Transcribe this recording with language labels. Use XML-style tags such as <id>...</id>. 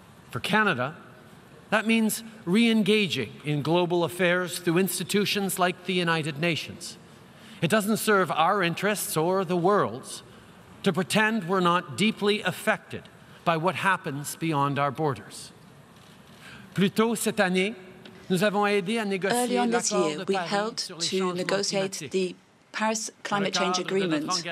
<en>For Canada, that means re-engaging in global affairs through institutions like the United Nations. It doesn't serve our interests or the world's to pretend we're not deeply affected by what happens beyond our borders.</en> <fr>Plutôt cette année, nous avons aidé à négocier l'accord de Paris sur les changements climatiques.</fr> <en>We helped to negotiate the Paris Climate Change Agreement.</en>